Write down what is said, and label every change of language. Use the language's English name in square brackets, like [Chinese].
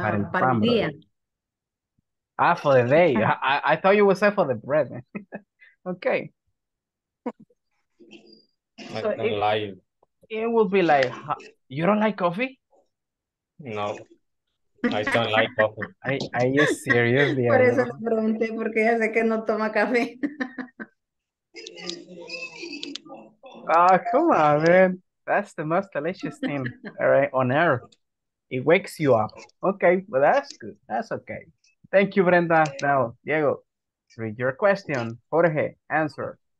[Spanish] para el día. [English] Ah, for the day. I thought you would say for the bread. Okay. So it would be like, you don't like coffee? No, I don't like coffee. Are you serious? [Spanish] Por eso le pregunté, porque ya sé que no toma café. [English] Ah, come on, man. That's the most delicious thing, all right, on earth. It wakes you up. Okay, well, that's good. That's okay. Thank you, Brenda. Now, Diego, read your question. Jorge, answer.